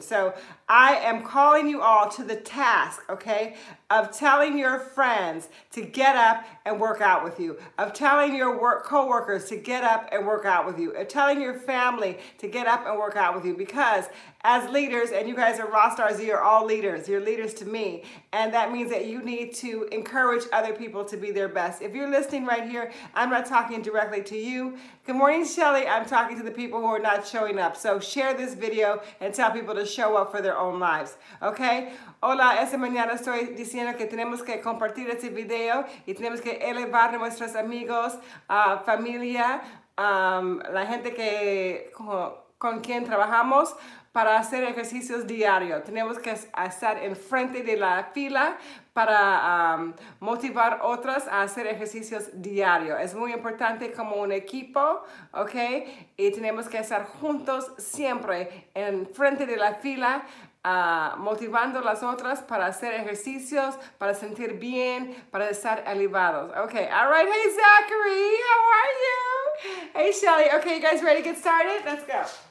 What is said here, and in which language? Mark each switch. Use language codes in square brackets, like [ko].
[en] So I am calling you all to the task, okay, of telling your friends to get up and work out with you, of telling your work coworkers to get up and work out with you, of telling your family to get up and work out with you, because as leaders, and you guys are Rockstars, you're all leaders, you're leaders to me, and that means that you need to encourage other people to be their best. If you're listening right here, I'm not talking directly to you. Good morning, Shelly. I'm talking to the people who are not showing up. So share this video and tell people to show up for their own lives. Okay? [es] Hola, esta mañana estoy diciendo que tenemos que compartir este video y tenemos que elevar nuestros amigos, familia, la gente que con quien trabajamos para hacer ejercicios diario. Tenemos que estar enfrente de la fila para motivar otras a hacer ejercicios diario. Es muy importante como un equipo, ¿ok? Y tenemos que estar juntos siempre en frente de la fila, motivando las otras para hacer ejercicios, para sentir bien, para estar elevados. [en] Ok, all right, hey Zachary, how are you? Hey Shelly, okay, you guys ready to get started? Let's go.